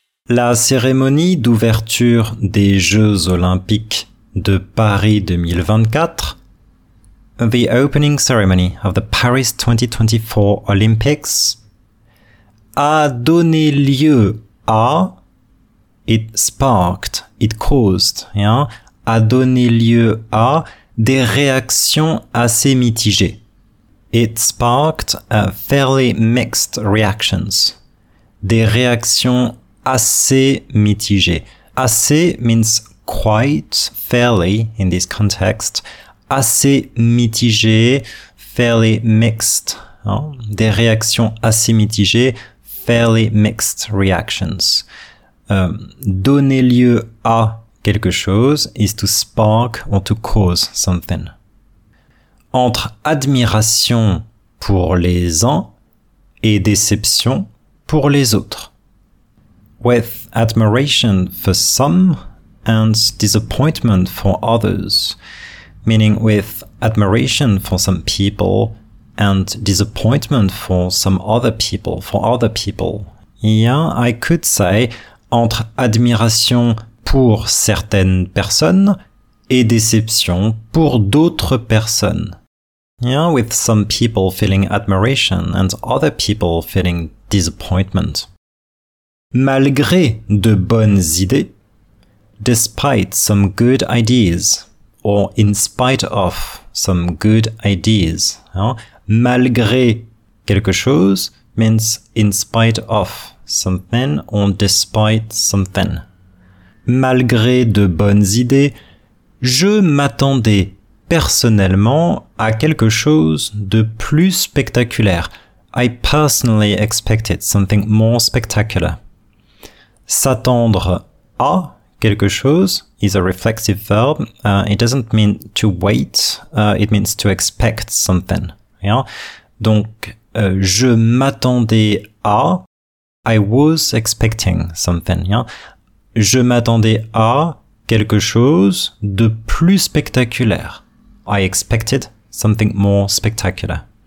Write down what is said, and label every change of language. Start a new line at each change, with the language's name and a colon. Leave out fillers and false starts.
French: La cérémonie d'ouverture des Jeux Olympiques de Paris 2024,
English: the opening ceremony of the Paris 2024 Olympics,
French: a donné lieu à,
English: it sparked, it caused, yeah,
French: a donné lieu à des réactions assez mitigées.
English: It sparked a fairly mixed reactions.
French: Des réactions assez mitigé.
English: Assez means quite, fairly in this context.
French: Assez mitigé,
English: fairly mixed.
French: Hein? Des réactions assez mitigées,
English: fairly mixed reactions.
French: Donner lieu à quelque chose
English: is to spark or to cause something.
French: Entre admiration pour les uns et déception pour les autres.
English: With admiration for some and disappointment for others, meaning with admiration for some people and disappointment for some other people, for other people. Yeah, I could say
French: entre admiration pour certaines personnes et déception pour d'autres personnes.
English: Yeah, with some people feeling admiration and other people feeling disappointment.
French: Malgré de bonnes idées,
English: despite some good ideas, or in spite of some good ideas. Hein?
French: Malgré quelque chose
English: means in spite of something or despite something.
French: Malgré de bonnes idées, je m'attendais personnellement à quelque chose de plus spectaculaire.
English: I personally expected something more spectacular.
French: S'attendre à quelque chose
English: is a reflexive verb. It doesn't mean to wait. It means to expect something. Yeah?
French: Donc, je m'attendais à.
English: I was expecting something. Yeah?
French: Je m'attendais à quelque chose de plus spectaculaire.
English: I expected something more spectacular.